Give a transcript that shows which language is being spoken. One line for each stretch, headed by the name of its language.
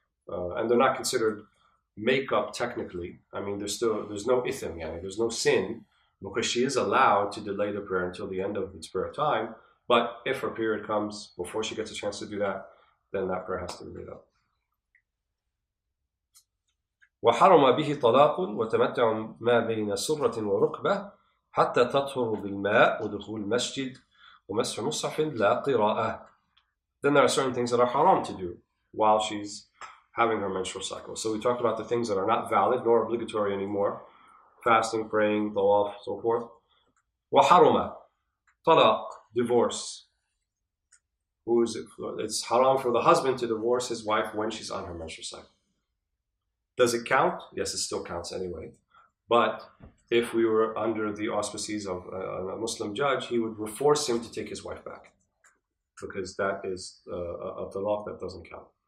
English: And they're not considered makeup technically. I mean, there's no ithim, yani, there's no sin, because she is allowed to delay the prayer until the end of its prayer time. But if her period comes before she gets a chance to do that, then that prayer has to be made up.
Arabic: وحرم به طلاق وتمتع ما بين سرة وركبة حتى تطهر بالماء ودخول المسجد ومسح مصحف لا قراءة.
English: Then there are certain things that are haram to do while she's having her menstrual cycle. So we talked about the things that are not valid nor obligatory anymore: fasting, praying, tawaf, so forth.
Arabic: وحرم طلاق, divorce.
English: Who is it? It's haram for the husband to divorce his wife when she's on her menstrual cycle. Does it count? Yes, it still counts anyway. But if we were under the auspices of a Muslim judge, he would force him to take his wife back, because that is a talaq that doesn't count.